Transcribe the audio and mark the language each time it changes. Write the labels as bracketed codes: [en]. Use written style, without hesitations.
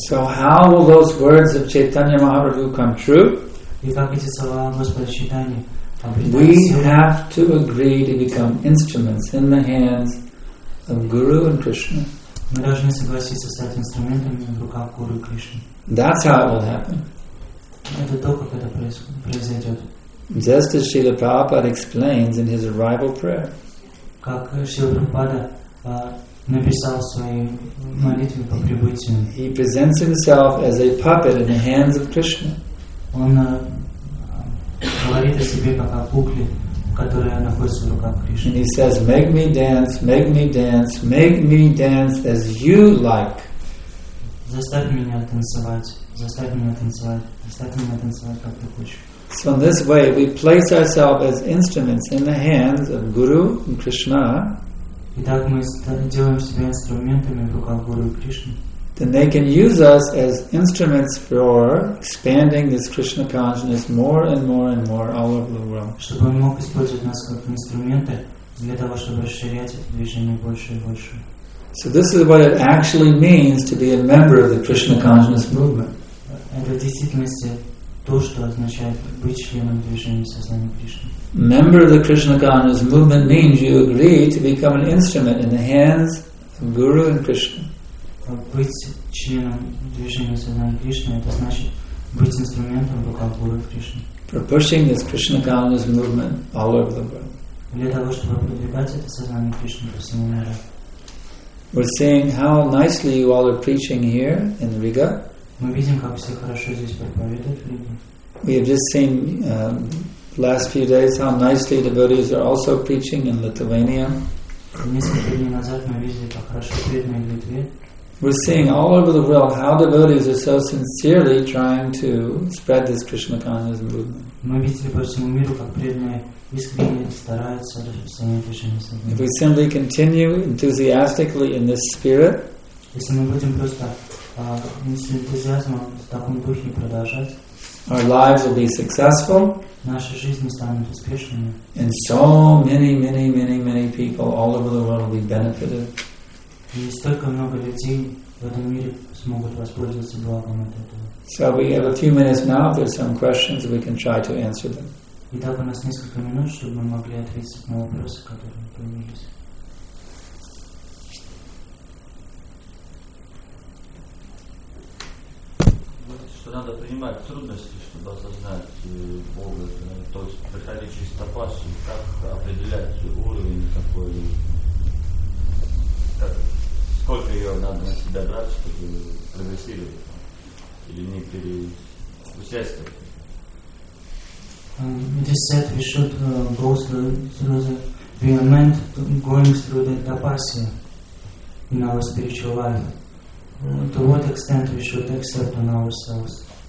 [en] So how will those words of Chaitanya Mahaprabhu come true? [ru] И как эти слова Господа Чайтаньи? [en] We have to agree to become instruments in the hands of Guru and Krishna. [ru] Мы должны согласиться стать инструментами в руках Гуру и Кришны. [en] That's how it will happen. [ru] Это то, как это произойдет. [en] Just as Srila Prabhupada explains in his arrival prayer. [ru] Как Шрила Прабхупада написал своей молитве по прибытию. [en] He presents himself as a puppet in the hands of Krishna. [ru] Он говорит о себе как о кукле, которая находится в руках Кришны. [en] And he says, make me dance, make me dance, make me dance as you like. [ru] Заставь меня танцевать, заставь меня танцевать, заставь меня танцевать, как ты хочешь. [en] So in this way, we place ourselves as instruments in the hands of Guru and Krishna. [ru] Итак, мы делаем себя инструментами в руках Гуру и Кришны. [en] Then they can use us as instruments for expanding this Krishna consciousness more and more and more all over the world. [ru] Чтобы он мог использовать нас как инструменты для того, чтобы расширять это движение больше и больше. [en] So this is what it actually means to be a member of the Krishna consciousness movement. [ru] Это в действительности то, что означает быть членом движения сознания Кришны. [en] Member of the Krishna consciousness movement means you agree to become an instrument in the hands of Guru and Krishna. [ru] Быть членом движения сознания Кришны — это значит быть инструментом в руках Гуру и Кришны. [en] For pushing this Krishna consciousness movement all over the world. [ru] Для того, чтобы продвигать это сознание Кришны по всему миру. [en] We're seeing how nicely you all are preaching here in Riga. [ru] Мы видим, как все хорошо здесь проповедуют в Риге. [en] We have just seen last few days how nicely devotees are also preaching in Lithuania. [ru] Несколько дней назад мы видели, как хорошо преданные в Литве. [en] We're seeing all over the world how devotees are so sincerely trying to spread this Krishna consciousness movement. [ru] Мы видели по всему миру, как преданные искренне стараются распространять движение сознания. [en] If we simply continue enthusiastically in this spirit, [ru] если мы будем просто с энтузиазмом в таком духе продолжать, [en] our lives will be successful, [ru] наши жизни станут успешными, [en] and so many, many, many, many people all over the world will be benefited. [ru] И столько много людей в этом мире смогут воспользоваться благом от этого. [en] So we have a few minutes now. If there's some questions, we can try to answer them. [ru] Итак, у нас несколько минут, чтобы мы могли ответить на вопросы, которые появились. Что надо принимать трудности, чтобы осознать Бога, то есть приходить через тапасу, как определять уровень такой, как, сколько ее надо на себя брать, чтобы прогрессировать или не переусердствовать. [en] This said we should go through the moment going through the tapasya in our spiritual life. To what extent we should accept on ourselves?